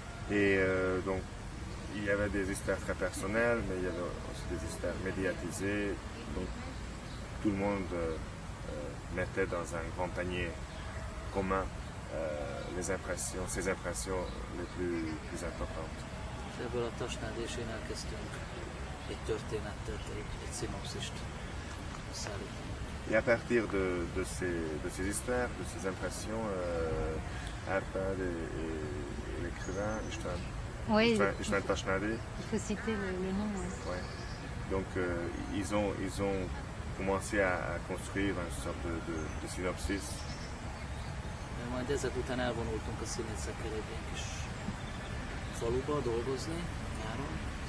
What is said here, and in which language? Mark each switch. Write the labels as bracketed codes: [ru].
[fr] Et donc, il y avait des histoires très personnelles, mais il y avait aussi des histoires médiatisées. Donc, tout le monde mettait dans un grand panier commun ses impressions les plus importantes. [hu] És ebből a tasnádésén elkezdtünk egy történetet, egy szinopszist összeállítani. [fr] Et à partir de ces histoires, de ces impressions, Arpad et l'écrivain, István Tasnádé. Il faut citer le nom. Ouais. Donc ils ont commencé à construire une sorte de synopsis. [hu] Majd ezek után elvonultunk a színészekkel egy kis faluba dolgozni, nyáron.